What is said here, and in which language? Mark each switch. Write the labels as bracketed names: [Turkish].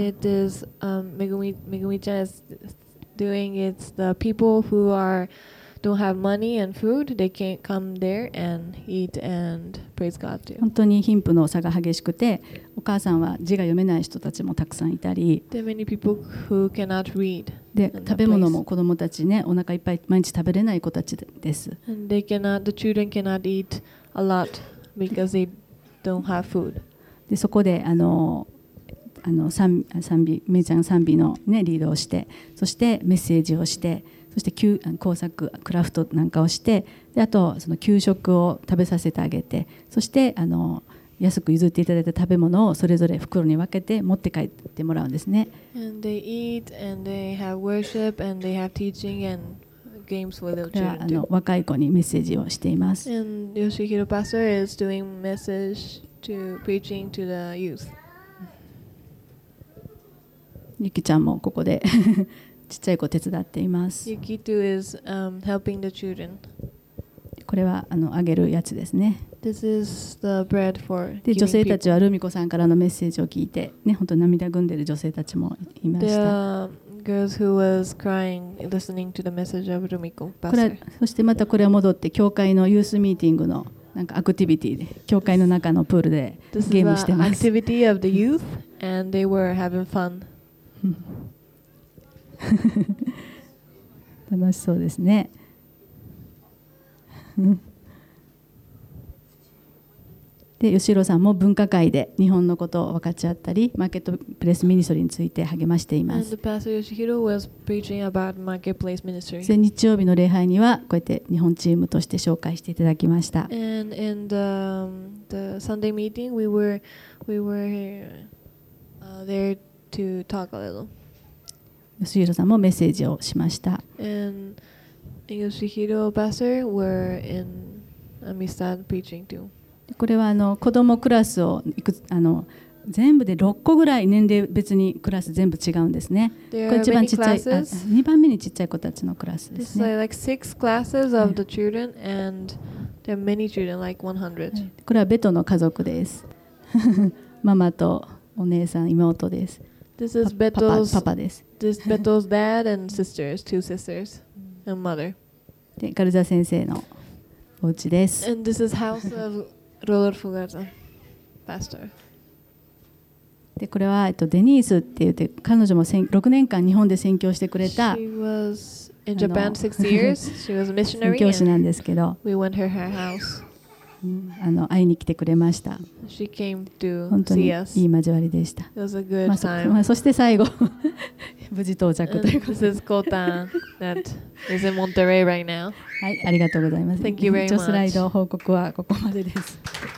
[English] It is, Megumi-chan is doing it's the people who are don't have money and food they can't come there and eat and praise God too. [Japanese] 本当に貧富の差が激しくて、お母さんは字が読めない人たちもたくさんいたり、 [English] There are many people who cannot read. [Japanese] で食べ物も子どもたちね、お腹いっぱい毎日食べれない子たちです。 [English] And they cannot, the children cannot eat a lot because they don't have food. [Japanese] でそこで賛美、めいちゃんが賛美の、ね、リードをして、そしてメッセージをして、そして工作クラフトなんかをして、であとその給食を食べさせてあげて、そして安く譲っていただいた食べ物をそれぞれ袋に分けて持って帰ってもらうんですね。 [English] And they eat and they have worship and they have teaching and games for their children. [Japanese] 若い子にメッセージをしています。 [English] And Yoshihiro Pastor is doing message to preaching to the youth. [Japanese] ゆきちゃんもここでちっちゃい子を手伝っています。 [English] Yukito is helping the children. [Japanese] これはあげるやつですね。 [English] This is the bread for giving people. [Japanese] で女性たちはルミコさんからのメッセージを聞いて、ね、本当に涙ぐんでる女性たちもいました。 [English] There are girls who was crying listening to the message of Rumiko Pastor. [Japanese] これそしてまたこれは戻って教会のユースミーティングのなんかアクティビティで、教会の中のプールでゲームしてます。 [English] This is the activity of the youth and they were having fun. [Japanese] 楽しそうですね。で、吉郎さんも分科会で日本のことを分かち合ったり、マーケットプレスミニストリーについて励ましています。 [English] And Pastor Yoshihiro was preaching about marketplace ministry. [Japanese] で、日曜日の礼拝にはこうやって日本チームとして紹介していただきました。 [English] And in the Sunday meeting, we were there to talk a little. [Japanese] 吉弘さんもメッセージをしました。 [English] Yoshihiro Pastor were in Amistad preaching too. [Japanese] これは子供クラスをいく全部で6個ぐらい年齢別にクラス全部違うんですね。これ一番ちっちゃい、2番目にちっちゃい子たちのクラスですね。 [English] It's like 6 classes of the children and there are many children like 100. [Japanese] これはベトの家族です。ママとお姉さん妹です。 [English] This is Beto's, [Japanese] パパです。 [English] This Beto's dad and sisters, two sisters and mother. [Japanese] で、ガルザ先生のお家です。 [English] And this is house of Rodolfo Garza, pastor. [Japanese] でこれはデニースって言って彼女も6年間日本で宣教してくれた宣教師なんですけど、 [English] we went to her house. [Japanese] 会いに来てくれました。 [English] She came to [Japanese] 本当にいい交わりでした。 [English] It was a good time. [Japanese] そして最後無事到着ということで、 [English] this is Kotan that is in Monterrey right now. [Japanese] はい、ありがとうございます。 [English] Thank you very much. [Japanese] 一応スライド報告はここまでです。